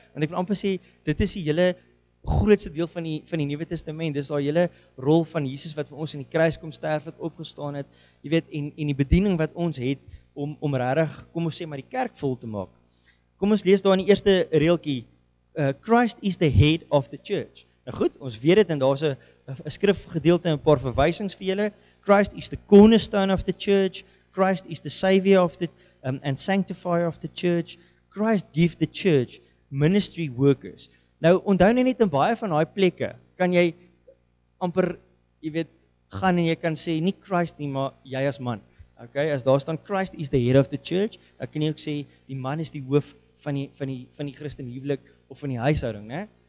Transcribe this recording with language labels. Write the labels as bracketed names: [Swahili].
[Afrikaans] Want ek wil amper sê dit is die hele grootste deel van die Nuwe Testament, dis daai hele rol van Jesus wat vir ons in die kruis kom sterf het, opgestaan het, jy weet, en die bediening wat ons het om regtig, kom ons sê, maar die kerk vol te maak. Kom ons lees daar in die eerste reeltjie, [English] Christ is the head of the church. [Afrikaans] Nou goed, ons weet dit, en daar's 'n skrifgedeelte en 'n paar verwysings vir julle. [English] Christ is the cornerstone of the church, Christ is the savior of the and sanctifier of the church, Christ give the church ministry workers. [Afrikaans] Nou, onthou net in baie van daai plekke, kan jy amper, jy weet, gaan en jy kan sê, nie Christ nie, maar jy as man. Ok, as daar staan, [English] Christ is the head of the church, [Afrikaans] dan kan jy ook sê, die man is die hoof van die Christen huwelik of van die huishouding, ne?